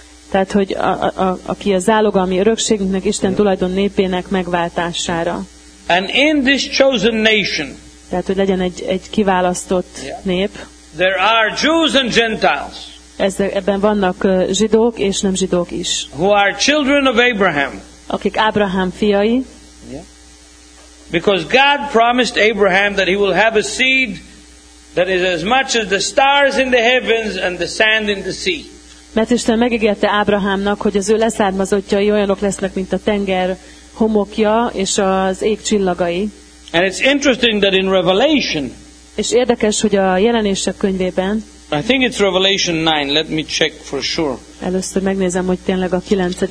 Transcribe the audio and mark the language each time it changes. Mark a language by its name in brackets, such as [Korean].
[Hungarian] Tehát, hogy aki a záloga, ami örökségünknek, Isten tulajdon népének megváltására. [English] And in this chosen nation, [Hungarian] tehát, hogy legyen egy kiválasztott nép, [English] there are Jews and Gentiles. [Hungarian] Ebben vannak zsidók és nem zsidók is. [English] Who are children of Abraham. [Hungarian] Akik Ábrahám fiai. [English] Because God promised Abraham that he will have a seed that is as much as the stars in the heavens and the sand in the sea. [Hungarian] Mert Isten megígérte Ábrahámnak, hogy az ő leszármazottjai olyanok lesznek, mint a tenger homokja és az ég csillagai. [English] And it's interesting that in Revelation, [Hungarian] és érdekes, hogy a Jelenések könyvében, [English] I think it's Revelation 9, let me check for sure. [Hungarian] Először megnézem, hogy tényleg a 9.